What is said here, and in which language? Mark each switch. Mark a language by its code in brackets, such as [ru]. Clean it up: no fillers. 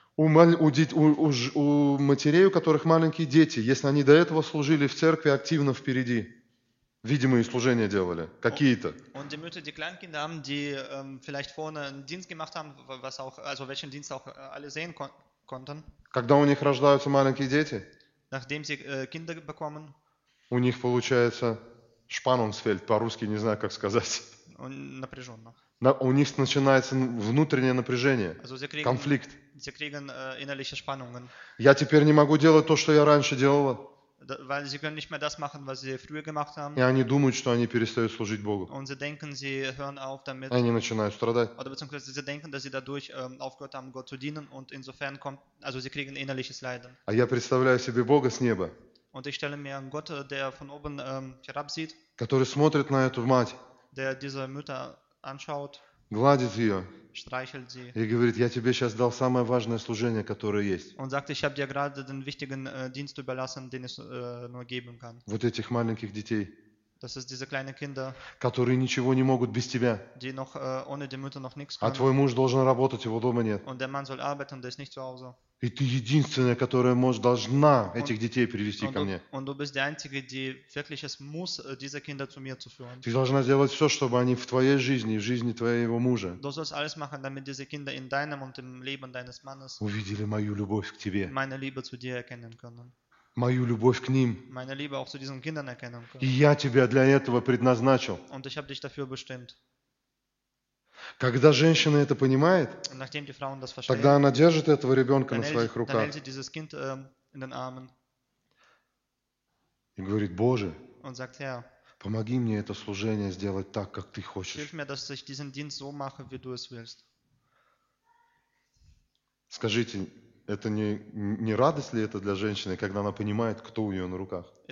[ru] У матерей, у которых маленькие дети, если они до этого служили в церкви активно впереди, видимые служения делали, какие-то. [de] Und die Mütter, die Kleinkinder haben, die vielleicht vorne einen Dienst gemacht haben, was auch, also welchen Dienst auch alle sehen konnten. [ru] Когда у них рождаются маленькие дети, [de] nachdem sie Kinder bekommen, [ru] у них получается Spannungsfeld, по-русски не знаю, как сказать. Напряженно. У них начинается внутреннее напряжение, [de] also sie kriegen, [ru] конфликт. [de] Sie kriegen innerliche Spannungen. [ru] Я теперь не могу делать то, что я раньше делал. [de] Weil sie können nicht mehr das machen, was sie früher gemacht haben. [ru] И они думают, что они перестают служить Богу. [de] Und sie denken, sie hören auf damit. [ru] Они начинают страдать. [de] Oder beziehungsweise sie denken, dass sie dadurch aufgehört haben, Gott zu dienen. Und insofern kommt, also sie kriegen innerliches Leiden. [ru] А я представляю себе Бога с неба. [de] Und ich stelle mir einen Gott, der von oben herab sieht. [ru] Который смотрит на эту мать. [de] Der diese Mütter anschaut. [ru] Гладит ее. [de] Streichelt sie. [ru] И говорит, я тебе сейчас дал самое важное служение, которое есть. [de] Und sagt, ich habe dir gerade den wichtigen Dienst überlassen, den es nur geben kann. [ru] Вот этих маленьких детей. [de] Das ist diese kleinen Kinder. [ru] Которые ничего не могут без тебя. [de] Die noch ohne die Mutter noch nichts können. [ru] А твой муж должен работать, его дома нет. [de] Und der Mann soll arbeiten, der ist nicht zu Hause. [ru] И ты единственная, которая может, должна этих детей привести ко мне. [de] Und du bist die Einzige, die wirklich es muss, diese Kinder zu mir zu führen. [ru] Ты должна сделать все, чтобы они в твоей жизни, в жизни твоего мужа. [de] Du sollst alles machen, damit diese Kinder in deinem und im Leben deines Mannes [ru] увидели мою любовь к тебе. [de] Meine Liebe zu dir erkennen können. [ru] Мою любовь к ним. [de] Meine Liebe auch zu diesen Kindern erkennen können. [ru] И я тебя для этого предназначил. [de] Und ich habe dich dafür bestimmt. [ru] Когда женщина это понимает, [de] nachdem die Frauen das verstehen, [ru] тогда она держит этого ребенка на своих руках [de] dann hält sie dieses Kind, in den Armen. [ru] И говорит, Боже, [de] und sagt, Herr, [ru] помоги мне это служение сделать так, как ты хочешь. [de] Hilf mir, dass ich diesen Dienst so mache, wie du es willst. [ru] Скажите, это не радость ли это для женщины, когда она понимает, кто у нее на руках?